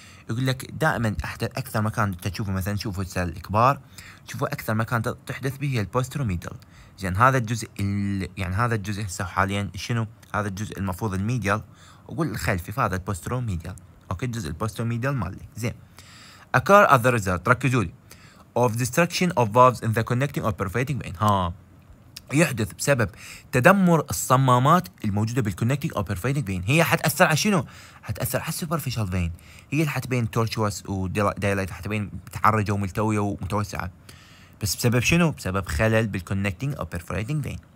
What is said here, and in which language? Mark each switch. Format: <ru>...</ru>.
<ar>يقول لك دائما أكثر مكان تشوفه مثلا شوفوا السل الكبار شوفوا أكثر مكان تحدث به هي البوستيرو ميديال. زين هذا الجزء يعني هذا الجزء هسه حاليا شنو؟ هذا الجزء المفروض الميديال وقول الخلفي فهذا البوستيرو ميديال. أوكي الجزء البوستيرو ميديال مالي. زين.</ar> <en>Occur as a result</en> <ar>ركزوا لي</ar> <en>of destruction of valves in the connecting or perforating vein. ها.</en> <ar>يحدث بسبب تدمر الصمامات الموجوده بالكونكتنج او بيرفيتنج فين. هي حتاثر على شنو؟ حتاثر على السوبرفيشال فين. هي حتبين تورتشوس ودايلايت حتبين متعرجه وملتويه ومتوسعه بس بسبب شنو؟ بسبب خلل بالكونكتنج او بيرفيتنج فين.</ar>